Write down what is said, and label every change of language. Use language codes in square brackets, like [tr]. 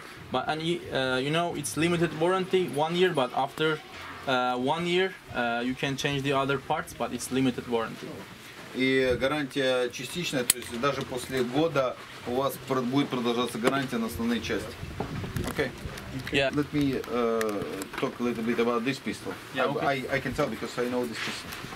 [en] But and you know, it's limited warranty 1 year, but after 1 year you can change the other parts, but it's limited warranty. [ru] и гарантия частичная, то есть даже после года у вас будет продолжаться гарантия на основные части. [en] Okay. Yeah. Let me talk a little bit about this pistol. Yeah, okay. I can tell because I know this pistol.